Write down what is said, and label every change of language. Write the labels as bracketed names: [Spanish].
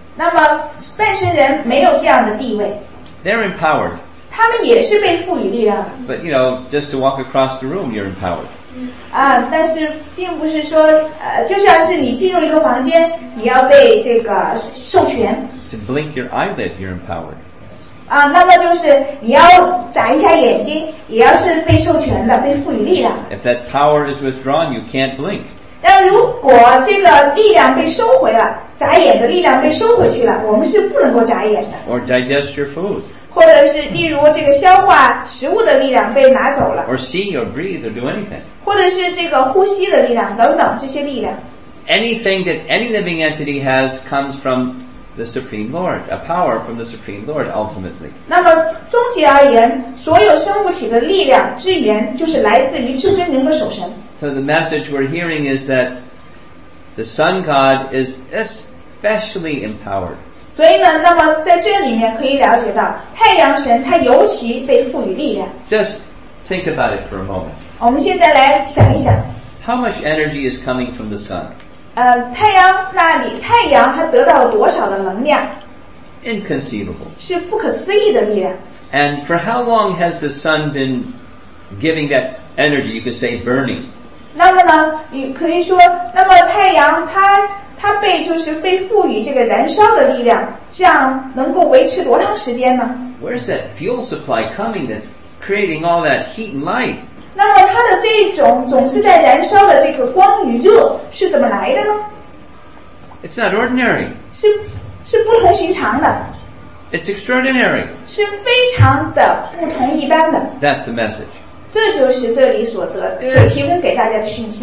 [Chinese] 那么拜神人没有这样的地位。 [English] They're empowered. [Chinese] 他们也是被赋予力量。 [English] But you know, just to walk across the room, you're empowered. [Chinese] 啊，但是并不是说，就像是你进入一个房间，你要被这个授权。 [English] To blink your eyelid, you're empowered. [Chinese] 啊，那么就是你要眨一下眼睛，也要是被授权的，被赋予力量。 [English] If that power is withdrawn, you can't blink. [Chinese] 那如果这个力量被收回了。眨眼的力量被收回去了，我们是不能够眨眼的。 [English] Or digest your food. [Chinese] 或者是例如这个消化食物的力量被拿走了。 [English] Or see or breathe or do anything. [Chinese] 或者是这个呼吸的力量等等这些力量。 [English] Anything that any living entity has comes from the Supreme Lord, a power from the Supreme Lord ultimately. [Chinese] 那么终极而言，所有生物体的力量之源就是来自于至尊人格守神。 [English] So the message we're hearing is that. The sun god is especially empowered. [Chinese] 所以呢，那么在这里面可以了解到，太阳神他尤其被赋予力量。 [English] Just think about it for a moment. [Chinese] 我们现在来想一想。 [English] How much energy is coming from the sun? [Chinese] 太阳那里，太阳它得到了多少的能量？ [English] Inconceivable. [Chinese] 是不可思议的力量。 [English] And for how long has the sun been giving that energy? You could say burning. [Chinese] 那么呢，你可以说，那么太阳它被就是被赋予这个燃烧的力量，这样能够维持多长时间呢？ [English] Where's that fuel supply coming that's creating all that heat and light? [Chinese] 那么它的这种总是在燃烧的这个光与热是怎么来的呢？ [English] It's not ordinary. [Chinese] 是不同寻常的。 [English] It's extraordinary. [Chinese] 是非常的不同一般的。 [English] That's the message. [Chinese] 这就是这里所提供给大家的讯息。